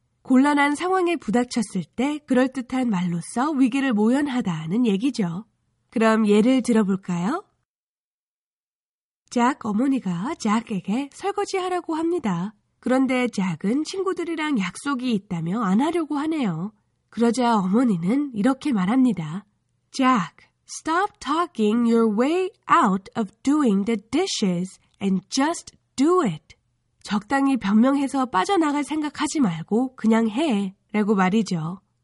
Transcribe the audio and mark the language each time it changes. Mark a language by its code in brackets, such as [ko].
[ko] 곤란한 상황에 부닥쳤을 때 그럴듯한 말로써 위기를 모연하다는 얘기죠. 그럼 예를 들어볼까요? 잭 어머니가 잭에게 설거지하라고 합니다. 그런데 잭은 친구들이랑 약속이 있다며 안 하려고 하네요. 그러자 어머니는 이렇게 말합니다. [en] Jack, stop talking your way out of doing the dishes and just do it. [ko] 적당히 변명해서 빠져나갈 생각하지 말고 그냥 해 라고 말이죠.